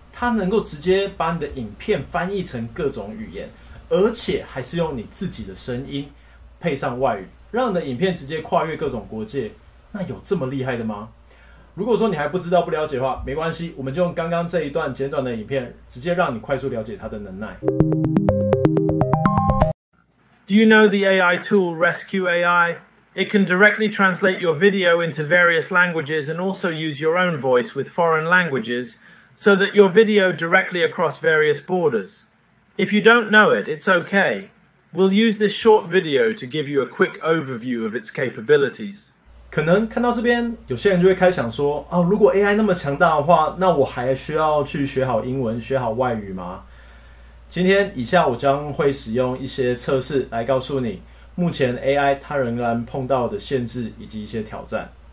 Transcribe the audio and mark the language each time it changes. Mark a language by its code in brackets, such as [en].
[zh] 它能够直接把你的影片翻译成各种语言，而且还是用你自己的声音配上外语，让你的影片直接跨越各种国界。那有这么厉害的吗？如果说你还不知道不了解的话，没关系，我们就用刚刚这一段简短的影片直接让你快速了解它的能耐。 [en] Do you know the AI tool Rask.AI? It can directly translate your video into various languages and also use your own voice with foreign languages so that your video directly across various borders. If you don't know it, it's okay. We'll use this short video to give you a quick overview of its capabilities. [zh] 可能看到这边，有些人就会开始想说，哦，如果 AI 那么强大的话，那我还需要去学好英文，学好外语吗？今天以下我将会使用一些测试来告诉你目前 AI 它仍然碰到的限制以及一些挑战。